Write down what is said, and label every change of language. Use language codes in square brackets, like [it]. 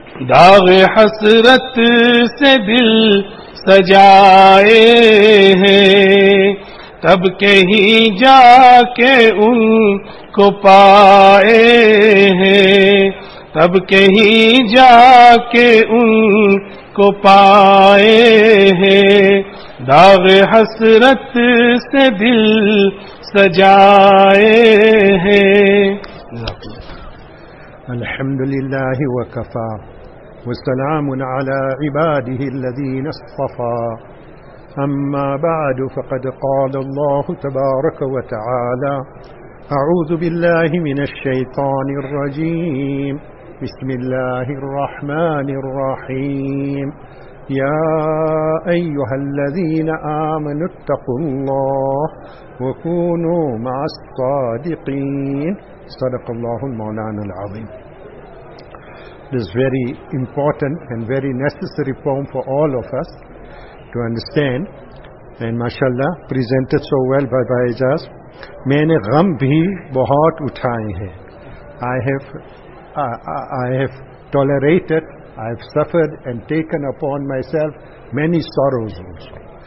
[ur] داغ حسرت سے دل سجائے ہیں، تب کہیں جا کے ان کو پائے ہیں، تب کہیں جا کے ان کو پائے ہیں۔ داغ حسرت سے دل سجائے ہیں۔ [ar] الحمد للہ وکفا والسلام على عباده الذين اصطفى، أما بعد، فقد قال الله تبارك وتعالى: أعوذ بالله من الشيطان الرجيم، بسم الله الرحمن الرحيم: يا أيها الذين آمنوا اتقوا الله وكونوا مع الصادقين. صدق الله مولانا العظيم. [en] This very important and very necessary poem for all of us to understand, and mashallah presented so well by Bhai Ijaz. [ur] Maine gham bhi bahut uthaye hain, [en] I have tolerated, I have suffered and taken upon myself many sorrows also.